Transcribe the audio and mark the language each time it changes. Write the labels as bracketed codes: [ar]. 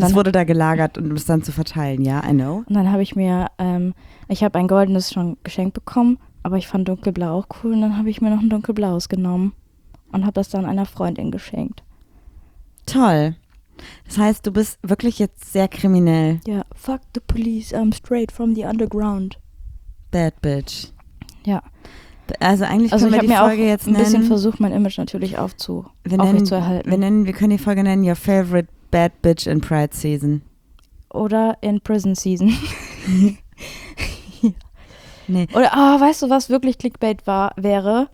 [de] das wurde da gelagert, um es dann zu verteilen, ja, [en] I know. [de] Und dann habe ich mir, ich habe ein goldenes schon geschenkt bekommen, aber ich fand dunkelblau auch cool. Und dann habe ich mir noch ein dunkelblaues genommen und habe das dann einer Freundin geschenkt. Toll. Das heißt, du bist wirklich jetzt sehr kriminell. [en] Ja, fuck the police, I'm straight from the underground. Bad bitch. [de] Ja. Also eigentlich also können wir die Folge jetzt nennen. Ich habe mir auch ein bisschen versucht, mein Image natürlich aufrechtzuerhalten. Wir können die Folge nennen, [en] your favorite bad bitch in Pride Season. [de] Oder in [en] Prison Season. [de] Nee. Oder, weißt du, was wirklich Clickbait wäre?